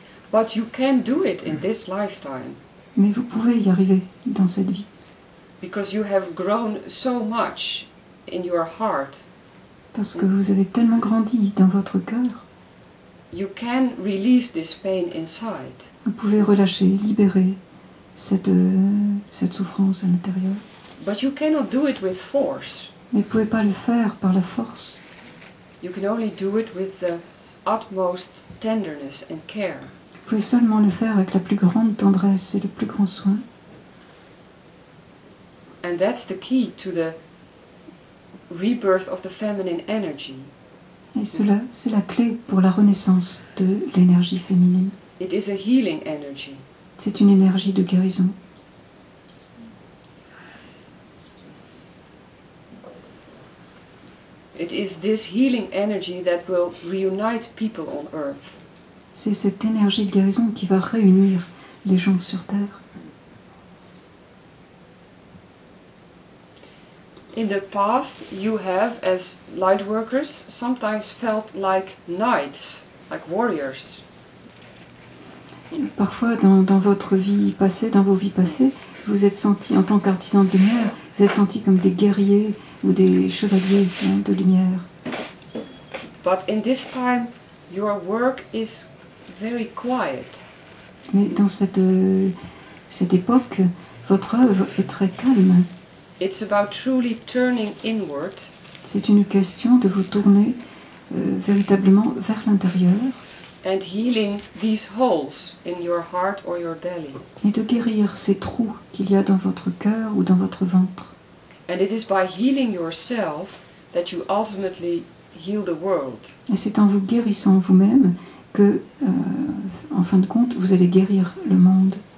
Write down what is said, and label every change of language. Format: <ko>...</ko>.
<en>But you can do it in this lifetime.</en> <fr>Mais vous pouvez y arriver dans cette vie.</fr> <en>Because you have grown so much in your heart.</en> <fr>Parce que vous avez tellement grandi dans votre cœur.</fr> <en>You can release this pain inside.</en> <fr>Vous pouvez relâcher, libérer cette souffrance à l'intérieur.</fr> <en>But you cannot do it with force.</en> <fr>Mais vous pouvez pas le faire par la force.</fr> <en>You can only do it with the utmost tenderness and care.</en> <fr>Vous pouvez seulement le faire avec la plus grande tendresse et le plus grand soin.</fr> <en>And that's the key to the rebirth of the feminine energy.</en> <fr>Et cela, c'est la clé pour la renaissance de l'énergie féminine.</fr> <en>It is a healing energy.</en> <fr>C'est une énergie de guérison.</fr> <en>It is this healing energy that will reunite people on Earth.</en> <fr>C'est cette énergie de guérison qui va réunir les gens sur Terre.</fr> <en>In the past, you have, as light workers, sometimes felt like knights, like warriors.</en> <fr>Parfois, dans votre vie passée, dans vos vies passées, vous êtes senti, en tant qu'artisan de lumière, vous êtes senti comme des guerriers ou des chevaliers de lumière.</fr> <en>But in this time, your work is very quiet.</en> <fr>Mais dans cette époque, votre œuvre est très calme.</fr> <en>It's about truly turning inward.</en> <fr>C'est une question de vous tourner véritablement vers l'intérieur.</fr> <en>And healing these holes in your heart or your belly.</en> <fr>Et de guérir ces trous qu'il y a dans votre cœur ou dans votre ventre.</fr> <en>And it is by healing yourself that you ultimately heal the world.</en> <fr>Et c'est en vous guérissant vous-même que, en fin de compte, vous allez guérir le monde.</fr>